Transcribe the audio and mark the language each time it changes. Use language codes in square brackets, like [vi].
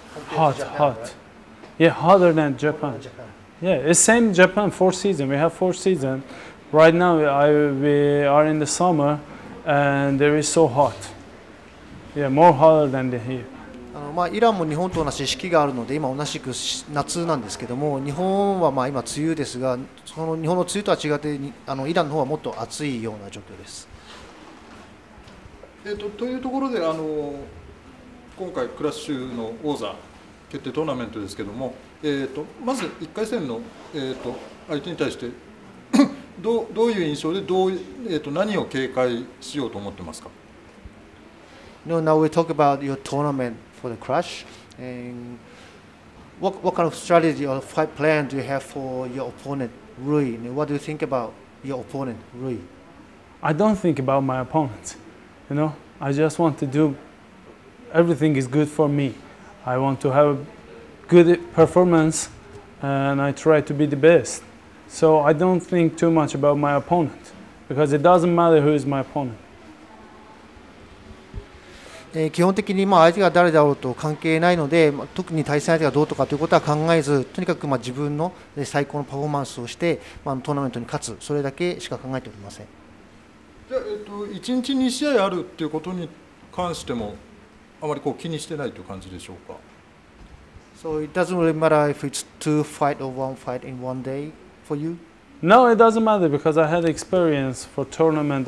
[en] Hot. Right? Yeah, hotter than Japan. Yeah, it's same Japan, four seasons. We have four seasons. Right now, we are in the summer, and there is so hot. Yeah, more hotter than here. [ja] まあ、イランも日本と同じ四季があるので今同じく夏なんですけども、日本はまあ今梅雨ですが、その日本の梅雨とは違ってイランの方はもっと暑いような状況です。というところで今回クラッシュの王座決定トーナメントですけども、まず1回戦の、相手に対してどういう印象でどう、何を警戒しようと思ってますか。 [en] No, now we talk about your tournamentFor the crush, and what kind of strategy or fight plan do you have for your opponent, Rui? What do you think about your opponent, Rui? I don't think about my opponent. You know, I just want to do everything is good for me. I want to have a good performance, and I try to be the best. So I don't think too much about my opponent, because it doesn't matter who is my opponent. [ja] 基本的にまあ相手が誰だろうと関係ないので、特に対戦相手がどうとかということは考えず、とにかくまあ自分の最高のパフォーマンスをして、まあ、トーナメントに勝つ、それだけしか考えておりません。じゃあ、1日2試合あるということに関してもあまりこう気にしてないという感じでしょうか。 [en] So it doesn't really matter if it's two fight or one fight in one day for you? No, it doesn't matter because I had experience for tournament.